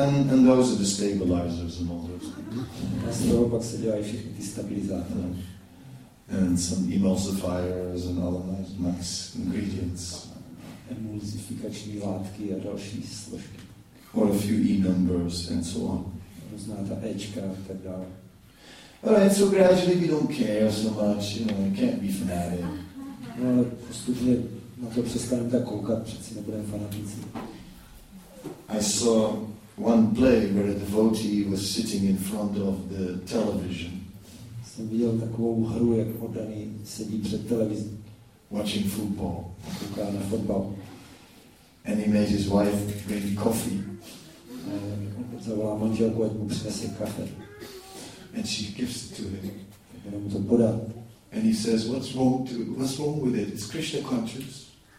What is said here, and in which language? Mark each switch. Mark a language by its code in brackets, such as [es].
[en] And those are the stabilizers and all those things. [cs] A z toho pak se dělají všechny ty stabilizátory. [en] And some emulsifiers and all those nice ingredients. [cs] Emulzifikační látky a další složky. [en] Or a few e-numbers and so on. [cs] Různá ta Ečka a tak dále. [en] All right, so gradually we don't care so much, you know, we can't be fanatic. [cs] No, ale postupně na to přestaneme tak koukat, přeci nebudeme fanatici. [en] I saw one play where a devotee was sitting in front of the television. [cs] Jsem viděl takovou hru, jak oddaný sedí před televizí. [en] Watching football. [cs] Kouká na fotbal. [en] And he made his wife bring coffee. [cs] A on zavolá manželku, ať mu přinese kafe. [en] And she gives it to him. [cs] Jde mu to podat. [en] And he says, what's wrong with it? It's Krishna conscious.